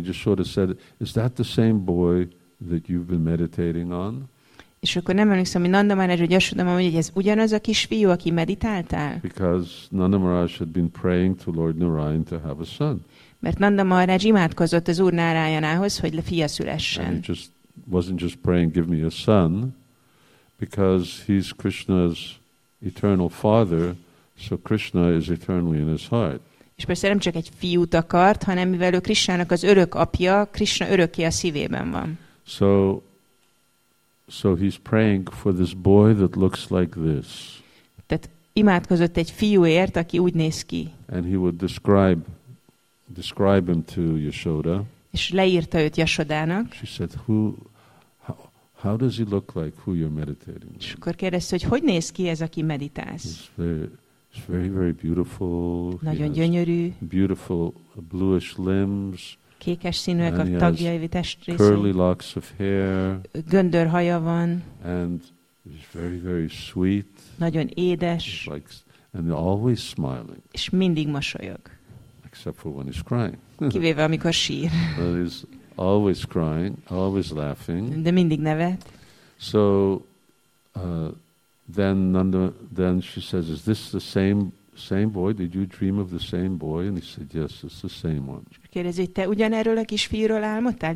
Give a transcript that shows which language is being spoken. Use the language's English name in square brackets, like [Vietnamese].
[English] I just sort of said, is that the same boy that you've been meditating on? [Hungarian] És akkor nem emlékszem, hogy Nanda Maharaj, hogy Yashoda mondja, hogy ez ugyanaz a kisfiú, aki meditáltál? [English] Because Nanda Maharaj had been praying to Lord Narayan to have a son. [Hungarian] Mert Nanda Maharaj imádkozott az Úr Narayanához, hogy fia szülessen. [English] And he wasn't just praying, give me a son, because he's Krishna's eternal father, so Krishna is eternally in his heart. [Hungarian] És persze nem csak egy fiút akart, hanem mivel ő Krishnának az örök apja, Krishna örökké a szívében van. [English] So he's praying for this boy that looks like this. [Hungarian] Tehát imádkozott egy fiúért, aki úgy néz ki. [English] And he would describe him to Yashoda. [Hungarian] És leírta őt Yashodának. [English] She said, How does he look like who you're meditating with? [Hungarian] És akkor kérdezte, hogy hogy néz ki ez, aki meditálsz? [English] He's very beautiful. [Hungarian] Nagyon gyönyörű. [English] Beautiful bluish limbs. [Hungarian] Kékes színűek a tagjai, a testrészei. [English] Curly locks of hair. [Hungarian] Göndör haja van. [English] And he's very, very sweet. [Hungarian] Nagyon édes. [English] Like, and always smiling. [Hungarian] És mindig mosolyog. [English] Except for when he's crying. [Hungarian] Kivéve, amikor sír. [English] But he's always crying, always laughing. [Hungarian] De mindig nevet. [English] So, then she says, is this the same boy? Did you dream of the same boy? And he said, yes, it's the same one. [Hungarian] Kérdezi, te ugyanerről a kisfiúról álmodtál?